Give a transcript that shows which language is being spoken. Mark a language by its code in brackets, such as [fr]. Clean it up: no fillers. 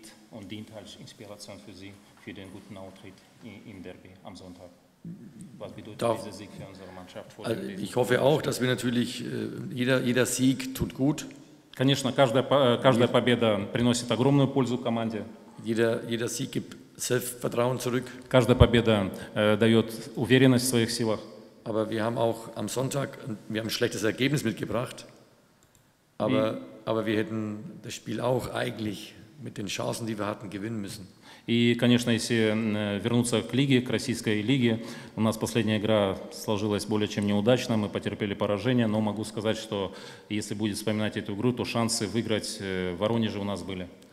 [de] Und dient als Inspiration für Sie für den guten Auftritt im Derby am Sonntag. Was bedeutet dieser Sieg für unsere Mannschaft? Also ich hoffe auch, dass wir natürlich jeder Sieg tut gut. [ru] Конечно, каждая победа приносит огромную пользу команде. [de] Jeder Sieg gibt Selbstvertrauen zurück. [ru] Каждая победа дает уверенность в своих силах. [de] Aber wir haben auch am Sonntag ein schlechtes Ergebnis mitgebracht. Aber wir hätten das Spiel auch eigentlich mit den Chancen, die wir hatten, gewinnen müssen. [ru] И, конечно, если вернуться к лиге, к российской лиге, у нас последняя игра сложилась более чем неудачно, мы потерпели поражение, но могу сказать, что если будет вспоминать эту игру, то шансы выиграть в Воронеже у нас были.